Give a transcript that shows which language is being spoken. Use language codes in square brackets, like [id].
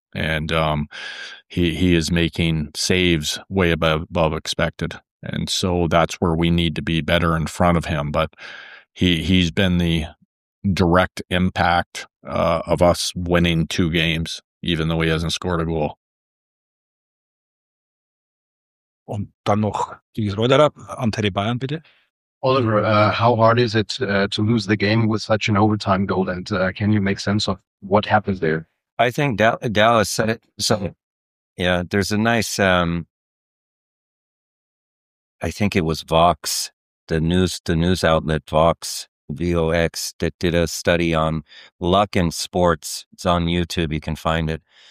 [en] And he is making saves way above expected. And so that's where we need to be better in front of him. But he's been the direct impact of us winning two games, even though he hasn't scored a goal. [de] Und dann noch die Reuterer, Antti Bayern, bitte. [en] Oliver, how hard is it to lose the game with such an overtime goal? And can you make sense of what happens there? I think Dallas said it. So, yeah, there's a nice... I think it was Vox, the news outlet Vox, VOX, that did a study on luck in sports. It's on YouTube. You can find it.